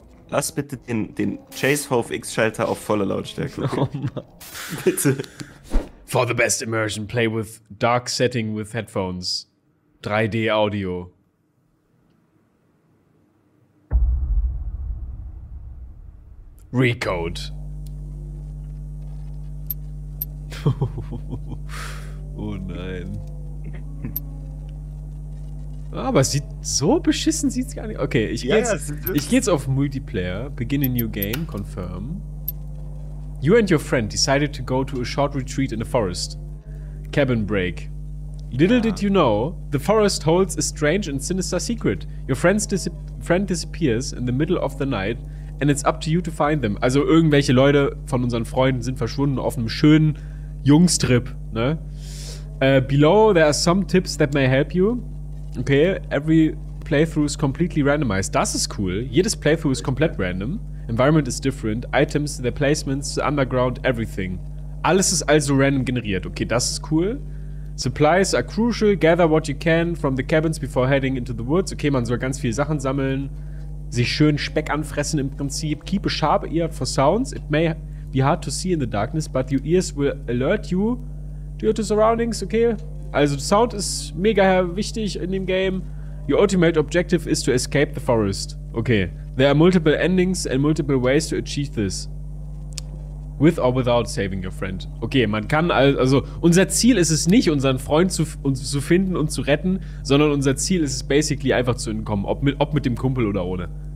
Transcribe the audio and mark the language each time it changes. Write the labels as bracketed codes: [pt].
[de] Lass bitte den Chase HFX Schalter auf voller Lautstärke. Okay? Oh Mann. Bitte. [en] For the best immersion, play with dark setting with headphones. 3D Audio. Recode. [de] Oh nein. Aber sieht's gar nicht. Okay, ich geh jetzt auf Multiplayer. [en] Begin a new game. Confirm. You and your friend decided to go to a short retreat in a forest. Cabin break. Little did you know, the forest holds a strange and sinister secret. Your friend disappears in the middle of the night and it's up to you to find them. [de] Also irgendwelche Leute von unseren Freunden sind verschwunden auf einem schönen Jungstrip, ne? [en] Below there are some tips that may help you. Okay, every playthrough is completely randomized. [de] Das ist cool. Jedes Playthrough ist komplett random. [en] Environment is different. Items, their placements, the underground, everything. [de] Alles ist also random generiert. Okay, das ist cool. [en] Supplies are crucial. Gather what you can from the cabins before heading into the woods. [de] Okay, man soll ganz viel Sachen sammeln. Sich schön Speck anfressen im Prinzip. [en] Keep a sharp ear for sounds. It may be hard to see in the darkness, but your ears will alert you to your surroundings. [de] Okay, also Sound ist mega wichtig in dem Game. [en] Your ultimate objective is to escape the forest. Okay. There are multiple endings and multiple ways to achieve this. With or without saving your friend. [de] Okay, man kann also unser Ziel ist es nicht, unseren Freund zu finden und zu retten, sondern unser Ziel ist es basically einfach zu entkommen, ob mit dem Kumpel oder ohne.